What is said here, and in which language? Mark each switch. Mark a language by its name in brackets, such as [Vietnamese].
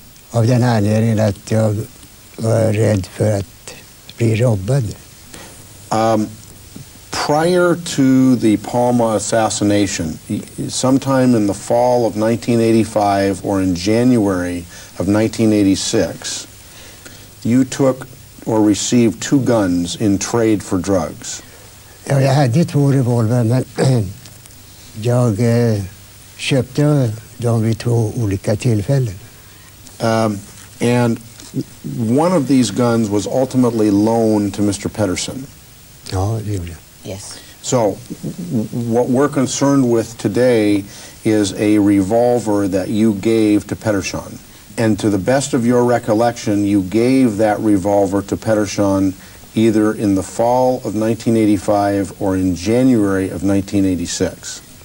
[Swedish] Av den anledningen att jag var rädd för att bli robbad. [English] Prior to the Palma assassination, sometime in the fall of 1985 or in January of 1986, you took or received 2 guns in trade for drugs. [Swedish] Ja, jag hade 2 revolver, men jag köpte dem vid 2 olika tillfällen. [English] And one of these guns was ultimately loaned to Mr. Pettersson. [Swedish] Ja, det gjorde jag. [English] So, what we're concerned with today is a revolver that you gave to Pettersson. And to the best of your recollection, you gave that revolver to Pettersson either in the fall of 1985 or in January of 1986.